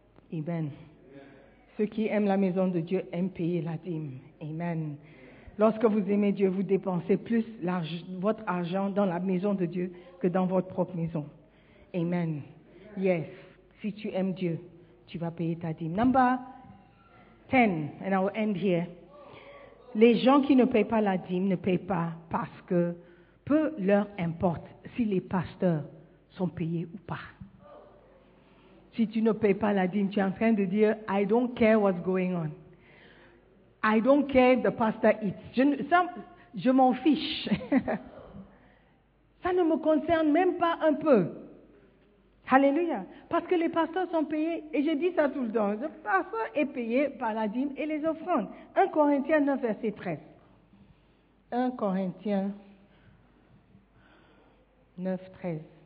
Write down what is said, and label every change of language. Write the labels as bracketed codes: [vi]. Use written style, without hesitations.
[fr] Yeah. Amen. Ceux qui aiment la maison de Dieu aiment payer la dîme. Amen. Lorsque vous aimez Dieu, vous dépensez plus votre argent dans la maison de Dieu que dans votre propre maison. Amen. Yes. Si tu aimes Dieu, tu vas payer ta dîme. [en] Number 10, and I will end here. [fr] Les gens qui ne payent pas la dîme ne payent pas parce que peu leur importe si les pasteurs sont payés ou pas. Si tu ne payes pas la dîme, tu es en train de dire, [en] I don't care what's going on. I don't care if the pastor eats. [fr] Je m'en fiche. Ça ne me concerne même pas un peu. Hallelujah. Parce que les pasteurs sont payés, et je dis ça tout le temps, le pasteur est payé par la dîme et les offrandes. 1 Corinthiens 9, verset 13. 1 Corinthiens 9, 13.